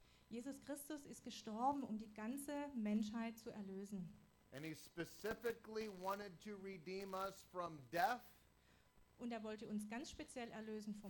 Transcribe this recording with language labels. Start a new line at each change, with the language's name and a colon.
German: Jesus Christus ist gestorben, um die ganze Menschheit zu erlösen.
English: And he specifically wanted to redeem us from death.
German: Und er wollte uns ganz speziell erlösen vom